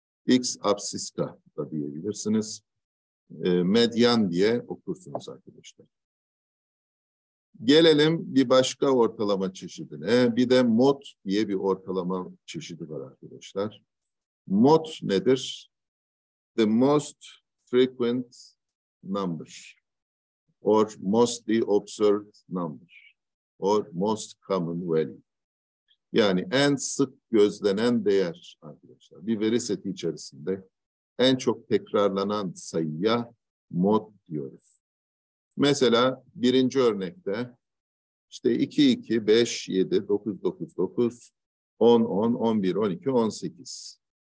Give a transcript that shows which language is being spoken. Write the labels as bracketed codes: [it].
[tr] X apsis k da diyebilirsiniz. Medyan diye okursunuz arkadaşlar. Gelelim bir başka ortalama çeşidine. Bir de mod diye bir ortalama çeşidi var arkadaşlar. Mod nedir? [en] The most frequent number or mostly observed number or most common value. [tr] Yani en sık gözlenen değer arkadaşlar. Bir veri seti içerisinde en çok tekrarlanan sayıya mod diyoruz. Mesela birinci örnekte işte 2, 2, 5, 7, 9, 9, 9, 10, 10, 11, 12, 18.